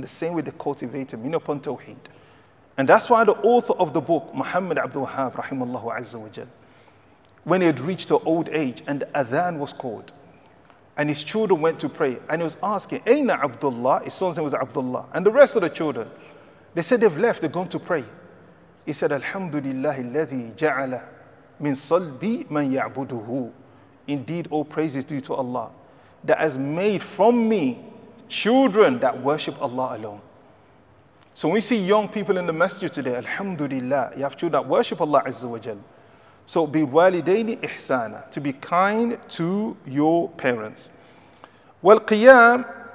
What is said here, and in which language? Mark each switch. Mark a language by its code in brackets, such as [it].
[en] The same way they cultivated me upon tawheed. And that's why the author of the book, Muhammad Abdul Wahhab, rahimahullah azza wa jal, when he had reached the old age and the adhan was called, and his children went to pray, and he was asking, أَيْنَ Abdullah? His son's name was Abdullah. And the rest of the children, they said they've left, they're going to pray. He said, [ar] Alhamdulillah, الَّذِي جَعَلَ مِنْ صَلْبِ مَنْ يَعْبُدُهُ. [en] Indeed, all praise is due to Allah, that has made from me children that worship Allah alone. So when we see young people in the masjid today, Alhamdulillah, you have children that worship Allah Azza wa Jal. So bi walidayni ihsana, to be kind to your parents. Wal qiyam